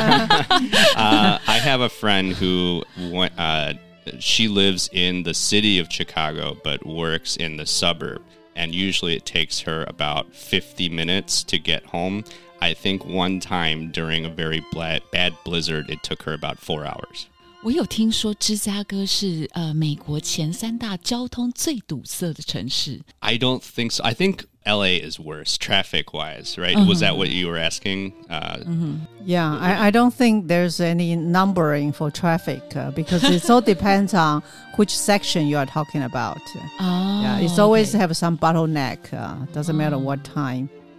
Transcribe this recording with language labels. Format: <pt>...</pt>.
<en>I have a friend who went, she lives in the city of Chicago, but works in the suburb. And usually it takes her about 50 minutes to get home. I think one time during a very bad blizzard, it took her about 4 hours.</en> <zh>我有听说芝加哥是美国前三大交通最堵塞的城市。</zh> <en>I don't think so. I think LA is worse, traffic-wise, right? Uh-huh. Was that what you were asking? Yeah, I don't think there's any numbering for traffic, because it all depends on which section you are talking about. Yeah, it's always have some bottleneck, doesn't matter what time.</en>